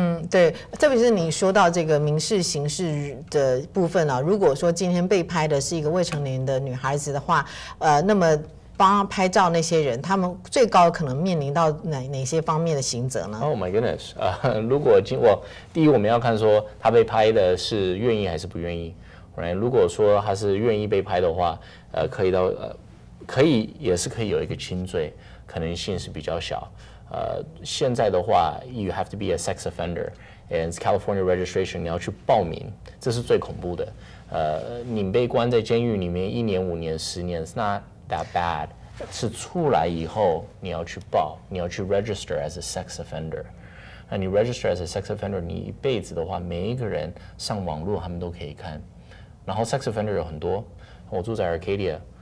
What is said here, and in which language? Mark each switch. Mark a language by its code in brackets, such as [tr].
[zh] 对，特别是你说到这个民事刑事的部分啊，如果说今天被拍的是一个未成年的女孩子的话，那么帮他拍照那些人，他们最高可能面临到 哪些方面的刑责呢？ [en] Oh my goodness， [zh] 如果第一我们要看说他被拍的是愿意还是不愿意。 [en] Right? [zh] 如果说他是愿意被拍的话，可以到可以也是可以有一个轻罪，可能性是比较小。现在的话 ， [en] you have to be a sex offender and California registration， [zh] 你要去报名，这是最恐怖的。你被关在监狱里面1年、5年、10年， [en] That bad [zh] 是出来以后你要去报，你要去 [en] register as a sex offender。 [zh] 那你 [en] register as a sex offender， [zh] 你一辈子的话每一个人上网络他们都可以看。然后 sex offender 有很多，我住在 Arcadia，